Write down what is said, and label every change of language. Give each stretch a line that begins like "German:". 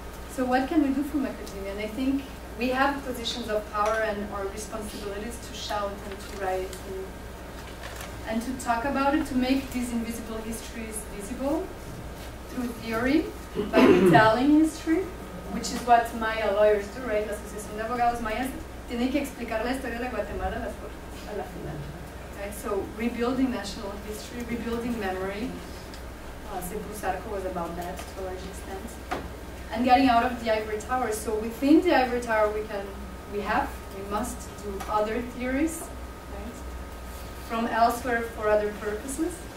English: So what can we do from academia? And I think we have positions of power and our responsibilities to shout and to write and to talk about it, to make these invisible histories visible through theory, by retelling history, which is what Maya lawyers do, right?
Spanish: Association de Abogados Mayas tiene que explicar la historia de Guatemala a la final.
English: So rebuilding national history, rebuilding memory. Sepur Sarco was about that to a large extent. And getting out of the ivory tower. So within the ivory tower we must do other theories, right? From elsewhere for other purposes.